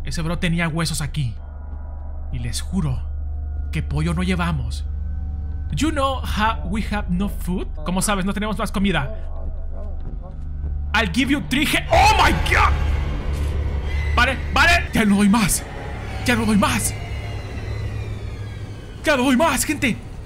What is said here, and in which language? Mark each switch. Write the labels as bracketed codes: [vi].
[es] Ese bro tenía huesos aquí. Y les juro que pollo no llevamos. [en] You know how we have no food? [es] Como sabes, no tenemos más comida. [en] I'll give you 3 oh my god! [es] Vale, vale. Ya no doy más. Ya no doy más. Ya no doy más, gente.